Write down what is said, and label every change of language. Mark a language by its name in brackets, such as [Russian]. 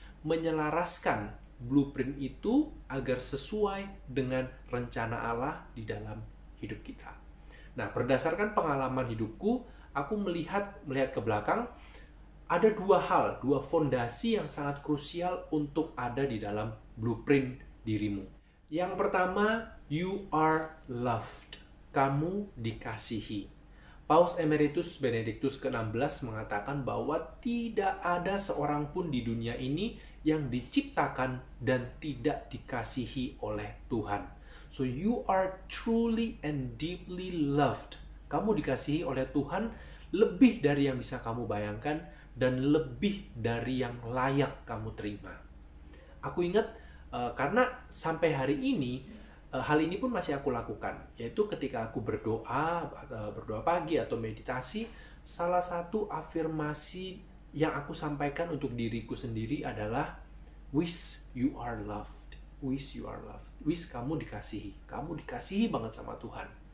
[Indonesian] Menyelaraskan blueprint itu agar sesuai dengan rencana Allah di dalam hidup kita. Nah, berdasarkan pengalaman hidupku, aku melihat ke belakang, ada dua hal, dua fondasi yang sangat krusial untuk ada di dalam blueprint dirimu. Yang pertama, [English] you are loved. [Indonesian] Kamu dikasihi. Paus Emeritus Benedictus XVI mengatakan bahwa tidak ada seorang pun di dunia ini yang diciptakan dan tidak dikasihi oleh Tuhan. [English] So you are truly and deeply loved. [Indonesian] Kamu dikasihi oleh Tuhan lebih dari yang bisa kamu bayangkan dan lebih dari yang layak kamu terima. Aku ingat karena sampai hari ini hal ini pun masih aku lakukan, yaitu ketika aku berdoa pagi atau meditasi, salah satu afirmasi yang aku sampaikan untuk diriku sendiri adalah [English] wish you are loved, wish [Indonesian] you are loved, wish kamu dikasihi banget sama Tuhan.